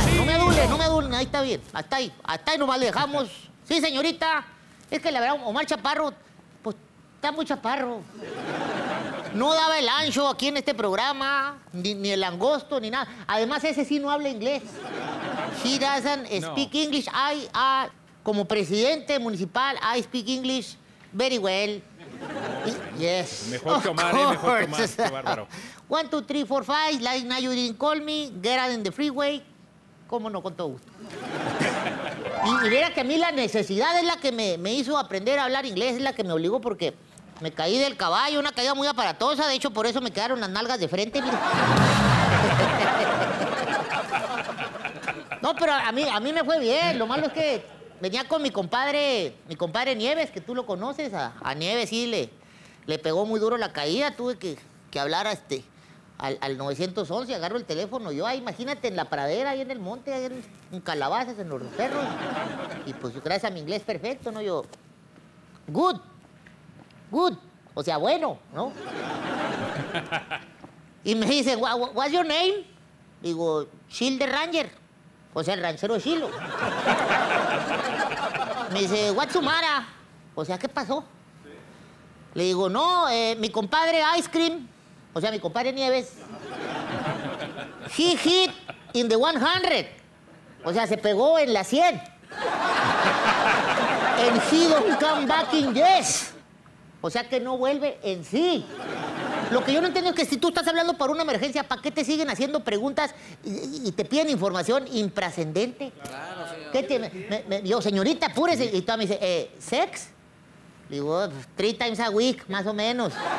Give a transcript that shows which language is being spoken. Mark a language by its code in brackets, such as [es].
[es] Chilo. No me duelen, ahí está bien. Hasta ahí nomás le dejamos. Sí, señorita, es que la verdad, Omar Chaparro, pues, está muy chaparro. No daba el ancho aquí en este programa, ni el angosto, ni nada. Además, ese sí no habla inglés. [en] He doesn't speak English. [es] Como presidente municipal, [en] I speak English very well. Yes. [es] Mejor que Omar, mejor que Omar. Qué bárbaro. [en] 1, 2, 3, 4, 5, like now you didn't call me, get out in the freeway. [es] Cómo no, con todo gusto. Y mira que a mí la necesidad es la que me hizo aprender a hablar inglés, es la que me obligó porque me caí del caballo, una caída muy aparatosa. De hecho, por eso me quedaron las nalgas de frente. Mira. No, pero a mí me fue bien. Lo malo es que venía con mi compadre Nieves, que tú lo conoces. A Nieves sí le pegó muy duro la caída. Tuve que hablar a este... Al 911, agarro el teléfono. Yo, imagínate, en la pradera, ahí en el monte, ahí en calabazas, en los cerros. Y pues gracias a mi inglés perfecto, ¿no? Yo, [en] good, good. [es] O sea, bueno, ¿no? Y me dicen, [en] what's your name? [es] Digo, [en] Shield the Ranger. [es] O sea, el ranchero Chilo. Me dice, [en] what's your mara? [es] O sea, ¿qué pasó? Le digo, no, mi compadre [en] Ice Cream. [es] O sea, mi compadre Nieves. [en] He hit in the 100. [es] O sea, se pegó en la 100. [en] And he don't come back in yes. [es] O sea, que no vuelve en sí. Lo que yo no entiendo es que si tú estás hablando para una emergencia, ¿para qué te siguen haciendo preguntas y te piden información intrascendente? Claro, señor. ¿Qué tiene? Yo, señorita, apúrese. Y tú a mí dices, ¿sex? Digo, [en] 3 times a week, [es] más o menos.